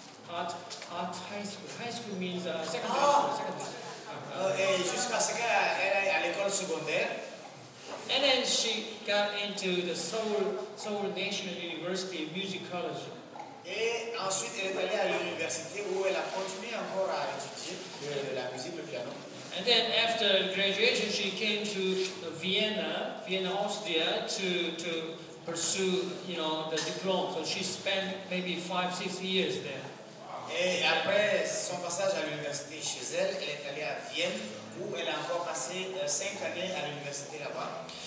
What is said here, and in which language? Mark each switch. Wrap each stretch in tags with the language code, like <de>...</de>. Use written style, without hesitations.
<en>Art high school means secondary.</en> <fr>Et jusqu'à ce qu'elle aille à l'école secondaire.</fr> <en>And then she got into the Seoul National University Music College.</en> <fr>Et ensuite elle est allée à l'université où elle a continué encore à étudier de la musique, le piano.</fr> <en>And then after graduation, she came to Vienna, Austria, to pursue, you know, the diploma. So she spent maybe 5-6 years there.</en> <fr>Et après son passage à l'université chez elle, elle est allée à Vienne, où elle a encore passé 5 années à l'université là-bas.</fr>